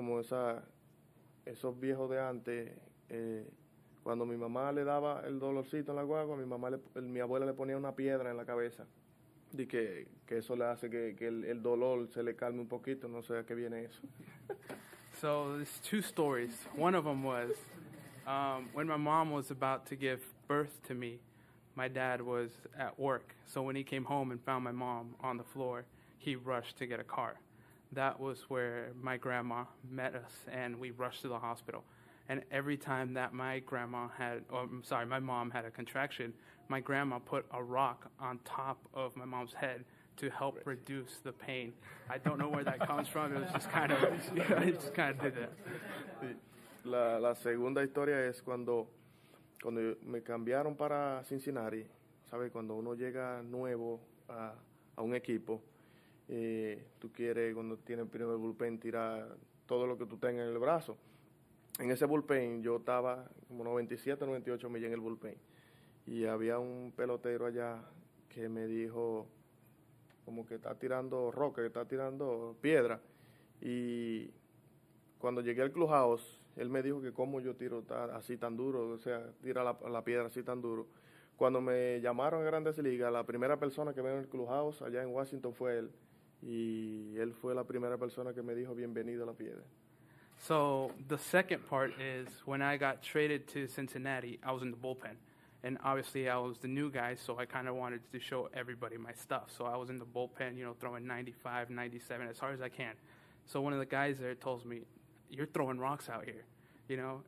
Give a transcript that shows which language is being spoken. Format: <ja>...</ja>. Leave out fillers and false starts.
<es>Como esos viejos de antes, cuando mi mamá le daba el dolorcito en la guagua, mi abuela le ponía una piedra en la cabeza. Y que eso le hace que el dolor se le calme un poquito, no sé a qué viene eso.</es> <en>So there's two stories. One of them was when my mom was about to give birth to me, my dad was at work. So when he came home and found my mom on the floor, he rushed to get a car. That was where my grandma met us, and we rushed to the hospital. And every time that my mom had a contraction, my grandma put a rock on top of my mom's head to help reduce the pain. I don't know where that comes from. It was just kind of, did that.</en> <es>La segunda historia es cuando me cambiaron para Cincinnati, ¿sabes? Cuando uno llega nuevo a un equipo, tú quieres, cuando tienes el primer bullpen, tirar todo lo que tú tengas en el brazo. En ese bullpen yo estaba como 97, 98 millas en el bullpen. Y había un pelotero allá que me dijo como que está tirando roca, que está tirando piedra. Y cuando llegué al clubhouse, él me dijo que cómo yo tiro así tan duro, o sea, tira la piedra así tan duro. Cuando me llamaron a Grandes Ligas, la primera persona que vino al clubhouse allá en Washington fue él. Y él fue la primera persona que me dijo bienvenido a la piedra.</es> <en>So the second part is when I got traded to Cincinnati, I was in the bullpen. And obviously I was the new guy, so I kind of wanted to show everybody my stuff. So I was in the bullpen, you know, throwing 95, 97, as hard as I can. So one of the guys there told me, you're throwing rocks out here, you know.</en>